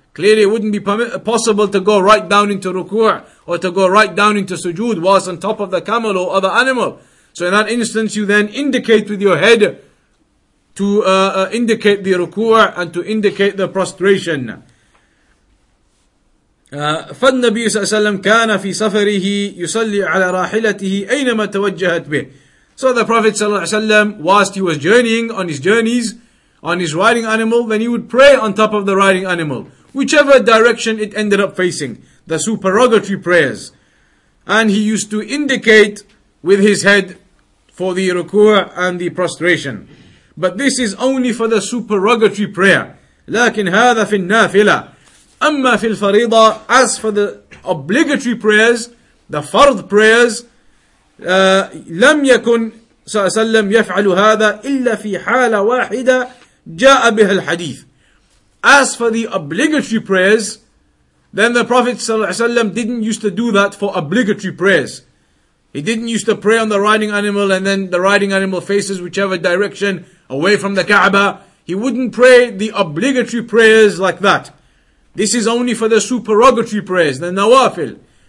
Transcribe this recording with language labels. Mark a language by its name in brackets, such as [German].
[English] Clearly it wouldn't be possible to go right down into ruku' or to go right down into sujood whilst on top of the camel or other animal. So in that instance you then indicate with your head to indicate the ruku' and to indicate the prostration. [Arabic] فالنبي صلى الله عليه وسلم كان في سفره يصلي على راحلته أينما توجهت به. [English] So the Prophet صلى الله عليه وسلم, whilst he was journeying on his journeys, on his riding animal, then he would pray on top of the riding animal, whichever direction it ended up facing, the supererogatory prayers. And he used to indicate with his head for the ruku' and the prostration. But this is only for the supererogatory prayer. [Arabic] لكن هذا في النافلة. أما في الفريضة. [English] As for the obligatory prayers, the fard prayers, [Arabic] لم يكن صلى الله عليه وسلم يفعل هذا إلا في حالة واحدة جاء بها الحديث. [English] As for the obligatory prayers, then the Prophet ﷺ didn't used to do that for obligatory prayers. He didn't used to pray on the riding animal and then the riding animal faces whichever direction away from the Kaaba. He wouldn't pray the obligatory prayers like that. This is only for the supererogatory prayers, the nawafil.